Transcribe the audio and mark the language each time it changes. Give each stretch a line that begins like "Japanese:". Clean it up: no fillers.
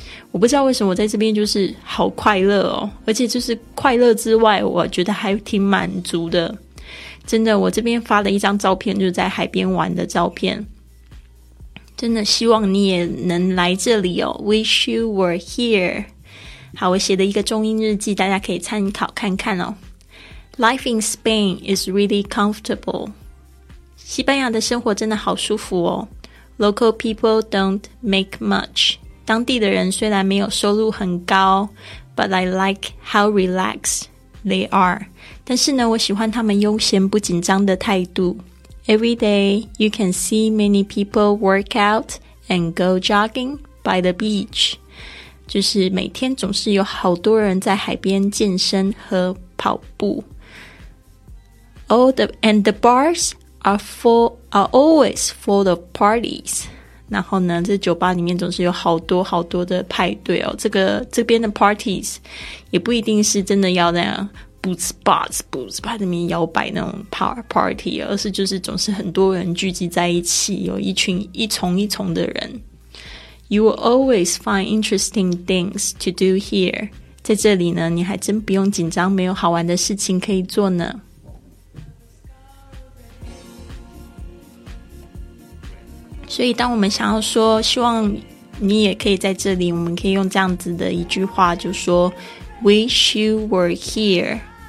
Chinese: 我不知道为什么我在这边就是好快乐哦，而且就是快乐之外我觉得还挺满足的。真的，我这边发了一张照片，就是在海边玩的照片，真的希望你也能来这里哦。
English: Wish you were here。
Chinese: 好，我写的一个中英日记，大家可以参考看看哦。 Life in Spain is really comfortable. 西班牙的生活真的好舒服哦。
English: Local people don't make much.
Chinese: 当地的人虽然没有收入很高，
English: but I like how relaxed they are.
Chinese: 但是呢，我喜欢他们悠闲不紧张的态度。
English: Every day, you can see many people work out and go jogging by the beach.
Chinese: 就是每天总是有好多人在海边健身和跑步。
English: And the bars are always full of parties.
Chinese: 然后呢，这酒吧里面总是有好多好多的派对哦。这边的 parties 也不一定是真的要那样 boots bar 里面摇摆那种 party， 而是就是总是很多人聚集在一起，有一群一丛一丛的人。
English: You will always find interesting things to do here.
Chinese: 在这里呢，你还真不用紧张，没有好玩的事情可以做呢。所以当我们想要说希望你也可以在这里，我们可以用这样子的一句话，就说
English: Wish you were here.